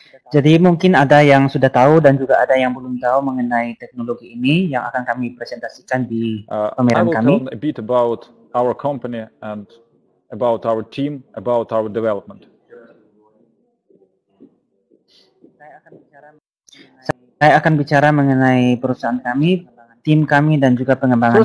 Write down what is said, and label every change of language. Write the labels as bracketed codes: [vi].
[id] Jadi mungkin ada yang sudah tahu dan juga ada yang belum tahu mengenai teknologi ini yang akan kami presentasikan di pameran kami. [en] I will tell a bit about our company and about our team, about our development. [id] Saya akan bicara mengenai perusahaan kami, tim kami, dan juga pengembangan kami.